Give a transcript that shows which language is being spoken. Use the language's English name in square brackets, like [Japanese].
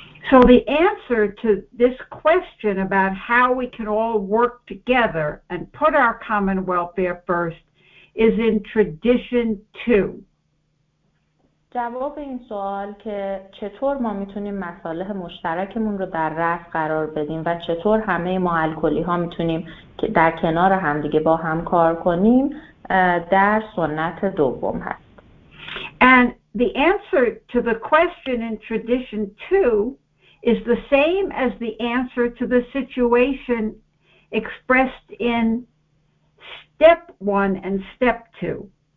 [English] So the answer to this question about how we can all work together and put our common welfare first is in tradition 2. [Persian] جواب این سوال که چطور ما میتونیم مصالح مشترکمون رو در رأس قرار بدیم و چطور همه ما الکلی ها میتونیم در کنار همدیگه با هم کار کنیم در سنت دوم هست. [English] And the answer to the question in tradition 2 is the same as the answer to the situation expressed in step 1 and step 2.